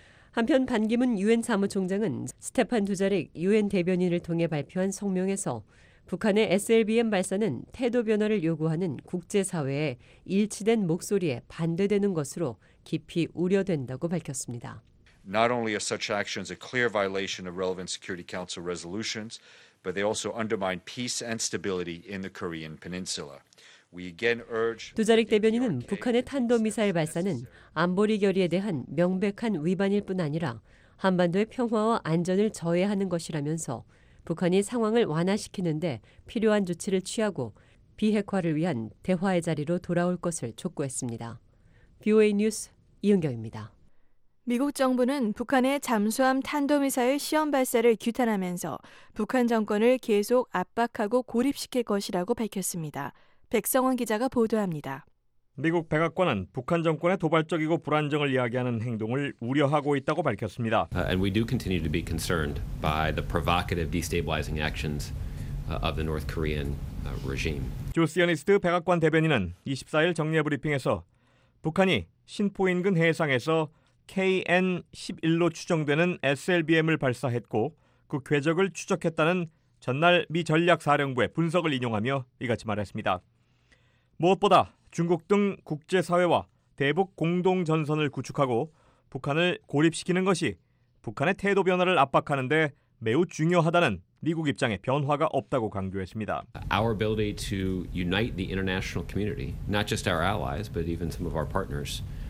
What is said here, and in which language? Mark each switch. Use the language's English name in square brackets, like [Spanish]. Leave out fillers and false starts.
[Korean] 한편 반기문 유엔 사무총장은 스테판 두자릭 유엔 대변인을 통해 발표한 성명에서 북한의 SLBM 발사는 태도 변화를 요구하는 국제사회의 일치된 목소리에 반대되는 것으로 깊이 우려된다고 밝혔습니다. [English] Not only are such actions a clear violation of relevant Security Council resolutions, but they also undermine peace and stability in the Korean Peninsula. We again urge. [Korean] 두자릭 대변인은 북한의 탄도미사일 발사는 안보리 결의에 대한 명백한 위반일 뿐 아니라 한반도의 평화와 안전을 저해하는 것이라면서 북한이 상황을 완화시키는데 필요한 조치를 취하고 비핵화를 위한 대화의 자리로 돌아올 것을 촉구했습니다. VOA 뉴스 이은경입니다. 미국 정부는 북한의 잠수함 탄도미사일 시험 발사를 규탄하면서 북한 정권을 계속 압박하고 고립시킬 것이라고 밝혔습니다. 백성원 기자가 보도합니다. 미국 백악관은 북한 정권의 도발적이고 불안정을 이야기하는 행동을 우려하고 있다고 밝혔습니다. [English] And we do continue to be concerned by the provocative destabilizing actions of the North Korean regime. [Korean] 조스 연이스트 백악관 대변인은 24일 정례 브리핑에서 북한이 신포 인근 해상에서 KN-11로 추정되는 SLBM을 발사했고 그 궤적을 추적했다는 전날 미 전략사령부의 분석을 인용하며 이같이 말했습니다. 무엇보다 중국 등 국제사회와 대북 공동전선을 구축하고 북한을 고립시키는 것이 북한의 태도 변화를 압박하는 데 매우 중요하다는 미국 입장에 변화가 없다고 강조했습니다. [English] Our ability to unite the international community, not just our allies, but even some of our partners,